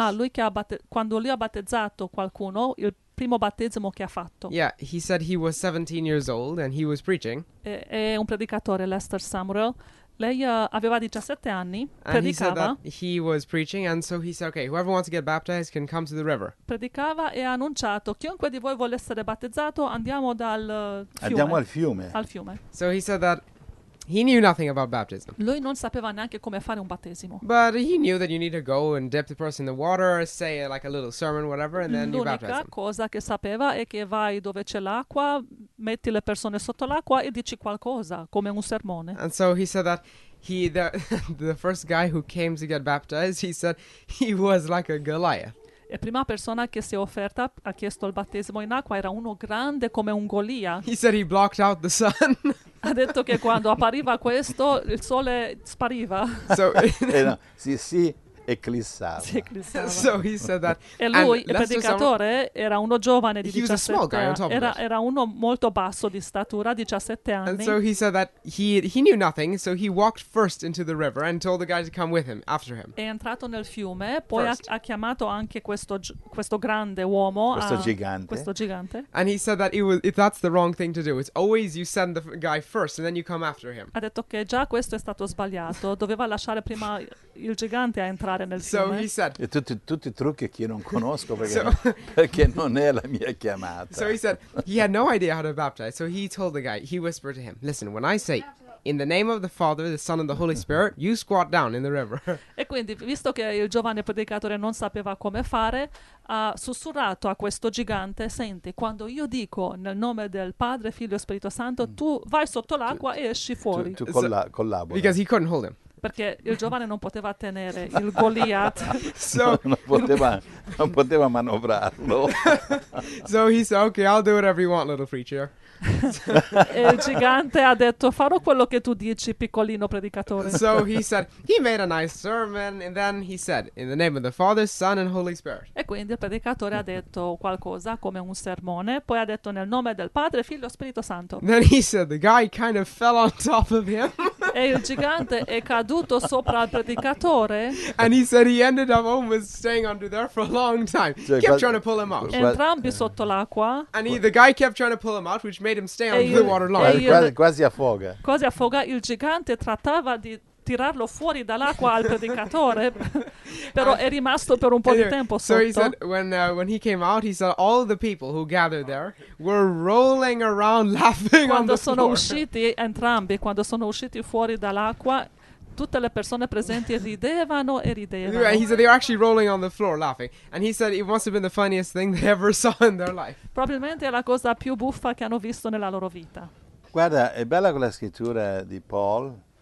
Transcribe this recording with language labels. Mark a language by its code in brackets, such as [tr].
[it] Ah, lui che ha quando lui ha battezzato qualcuno il primo battesimo che ha fatto. [en] Yeah, he said he was 17 years old and he was preaching. [it] È un predicatore, Lester Sumrall. Lei aveva 17 anni, [en] and [it] predicava. [en] He said that he was preaching and so he said, okay, whoever wants to get baptized can come to the river. [it] Predicava e ha annunciato, chiunque di voi vuole essere battezzato, andiamo dal fiume. Andiamo al fiume. Al fiume. [en] So he said that He knew nothing about baptism. [it] Lui non sapeva neanche come fare un battesimo. [en] But he knew that you need to go and dip the person in the water, say like a little sermon, whatever, and then [it] L'unica [en] you baptize them. [it] L'unica cosa che sapeva è che vai dove c'è l'acqua, metti le persone sotto l'acqua e dici qualcosa, come un sermone. [en] And so he said that the first guy who came to get baptized, he said he was like a Goliath. [it] E prima persona che si è offerta ha chiesto il battesimo in acqua era uno grande come un Golia. [en] He said he blocked out the sun. [it] Ha detto che quando appariva questo il sole spariva. [en] So, [it] no, si eclissava. Si eclissava. [en] So he said that. [it] E lui, il predicatore, era uno giovane di 17 anni. Era uno molto basso di statura, 17 anni. [en] And so he said that he knew nothing, so he walked first into the river and told the guy to come with him, after him. [it] È entrato nel fiume, poi ha chiamato anche questo grande uomo. Questo gigante. [en] And he said that that's the wrong thing to do. It's always you send the guy first and then you come after him. [it] Ha detto che già questo è stato sbagliato. Doveva lasciare prima il gigante a entrare. [en] So he said, [it] e tutti trucchi che non conosco perché non è la mia chiamata. [en] So he said he had no idea how to baptize. So he told the guy, he whispered to him, "Listen, when I say in the name of the Father, the Son, and the Holy Spirit, you squat down in the river." [it] E quindi, visto che il giovane predicatore non sapeva come fare, ha sussurrato a questo gigante, "Senti, quando io dico nel nome del Padre, Figlio e Spirito Santo, tu vai sotto l'acqua e esci fuori." Tu collabora. [en] Because he couldn't hold him. [it] Perché il giovane non poteva tenere il Goliath. So, non poteva manovrarlo. [en] So he said, "Okay, I'll do whatever you want, little preacher." [it] E il gigante ha detto, "Farò quello che tu dici, piccolino predicatore." [en] So he said, he made a nice sermon, and then he said, "In the name of the Father, Son, and Holy Spirit." [it] E quindi il predicatore ha detto qualcosa come un sermone, poi ha detto, "Nel nome del Padre, Figlio e Spirito Santo." [en] Then he said, the guy kind of fell on top of him. [it] E il gigante è caduto sopra al predicatore. [en] And he said he ended up almost staying under there for a long time. Cioè, kept trying to pull him out. [it] Entrambi sotto l'acqua. [en] And the guy kept trying to pull him out, which made him stay under the water longer. [it] Quasi a foga. Quasi a foga. Il gigante trattava di tirarlo fuori dall'acqua al predicatore, però è rimasto per un po' di tempo sotto. [en] So he said when he came out, he saw all the people who gathered there were rolling around laughing. [it] Quando [en] on the [it] sono [en] floor. [it] Usciti entrambi, quando sono usciti fuori dall'acqua, tutte le persone presenti ridevano e ridevano. [en] He said they were actually rolling on the floor laughing, and he said it must have been the funniest thing they ever saw in their life. [it] Probabilmente è la cosa più buffa che hanno visto nella loro vita. Guarda, è bella quella scrittura di Paul.